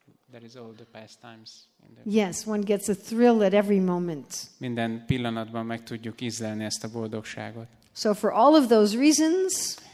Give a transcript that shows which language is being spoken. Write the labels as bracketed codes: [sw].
[en] There is all the past times in there. Yes, one gets a thrill at every moment. [hu] Minden pillanatban meg tudjuk ízlelni ezt a boldogságot. [en] So for all of those reasons.